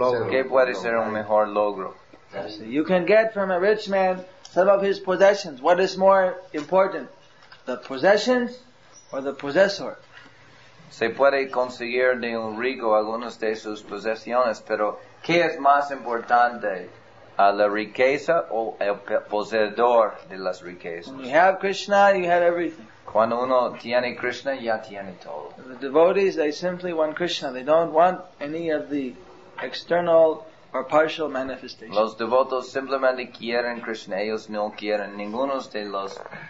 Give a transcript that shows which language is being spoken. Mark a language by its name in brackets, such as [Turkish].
[Spanish] ¿Qué puede ser un mejor logro? [English] You can get from a rich man some of his possessions. What is more important, the possessions or the possessor? [Spanish] Se puede conseguir de un rico algunas de sus posesiones, pero ¿qué es más importante, la riqueza o el poseedor de las riquezas? [English] When you have Krishna, you have everything. [Spanish] Cuando uno tiene Krishna, ya tiene todo. [English] The devotees, they simply want Krishna. They don't want any of the external or partial manifestations. [Spanish] Los devotos simplemente quieren Krishna. Ellos no quieren ninguno de los